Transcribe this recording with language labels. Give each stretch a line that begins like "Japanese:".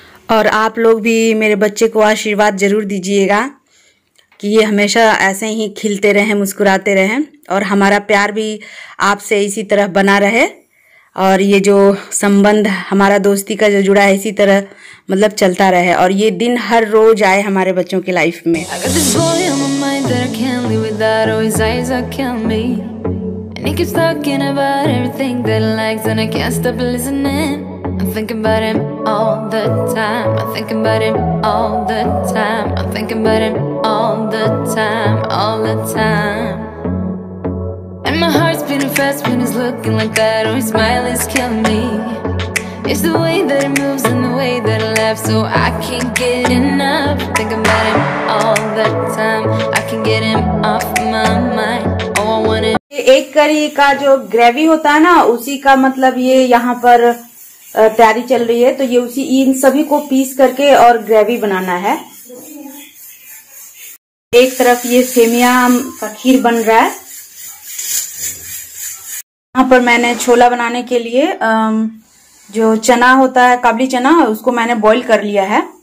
Hindi: और आप लोग भी मेरे बच्चे को आशीर्वाद ज़रूर दीजिएगा कि ये हमेशा ऐसे ही खिलते रहें, मुस्कुराते रहें और हमारा प्यार भी आपसे इसी तरह बना रहे और ये जो संबंध हमारा दोस्ती का जो जुड़ा है इसी तरह मतलब चलता रहे और ये दिन हर रोज आए हमारे बच्चों के लाइफ में।
English: I think about him all the time. I think about him all the time. I think about him all the time. All the time. And my heart's beating fast when he's looking like that. Oh, his smile is killing me. It's the way that he moves and the way that he laughs. So I can't get enough. I think about him all the time. I can't get him off my mind. Oh, I want him.
Hindi: एक करी का जो gravy होता है ना उसी का मतलब ये यहाँ पर तैयारी चल रही है। तो ये उसी इन सभी को पीस करके और ग्रेवी बनाना है। एक तरफ ये सेमिया का खीर बन रहा है। यहाँ पर मैंने छोला बनाने के लिए जो चना होता है काबली चना उसको मैंने बॉईल कर लिया है।